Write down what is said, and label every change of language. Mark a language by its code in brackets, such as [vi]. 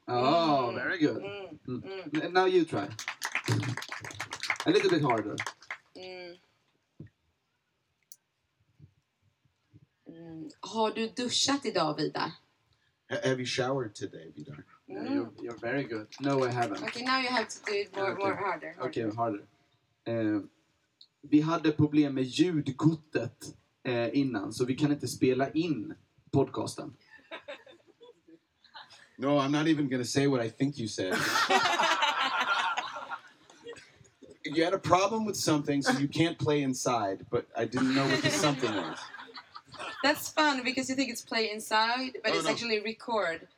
[en] Oh, very good. And now you try. A little bit harder. [sv] Har du duschat idag, Vidar? [en] Have you showered today, Vidar? Yeah, you're very good. No, I haven't. Okay, now you have to do it more harder. Okay, harder. [sv] Vi hade problem med ljudkortet innan, så vi kan inte spela in podcasten. [en] No, I'm not even going to say what I think you said. You had a problem with something, so you can't play inside, but I didn't know what the something was. That's fun because you think it's play inside, but it's actually record.